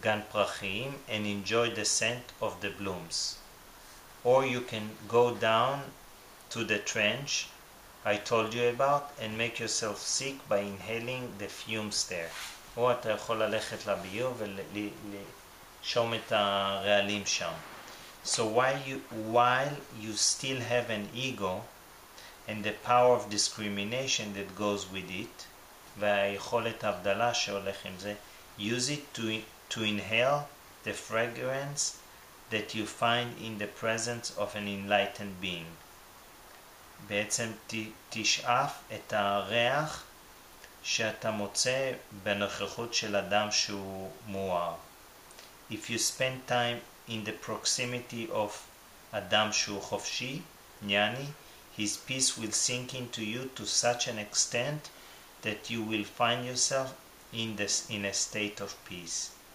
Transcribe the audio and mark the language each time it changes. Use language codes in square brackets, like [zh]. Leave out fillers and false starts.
[he] גן פרחים [en] and enjoy the scent of the blooms, or you can go down to the trench I told you about and make yourself sick by inhaling the fumes there. [he] או אתה יכול ללכת לביוב ולשום את הרעלים שם. [en] So while you still have an ego and the power of discrimination that goes with it, [he] והיכולת ההבדלה שהולך עם זה, [en] use it to inhale the fragrance that you find in the presence of an enlightened being. [he] בעצם תשאף את הריח שאתה מוצא בנוכחות של אדם שהוא מואר. [en] If you spend time in the proximity of [he] אדם שהוא חופשי, ניאני, [en] his peace will sink into you to such an extent that you will find yourself in a state of peace.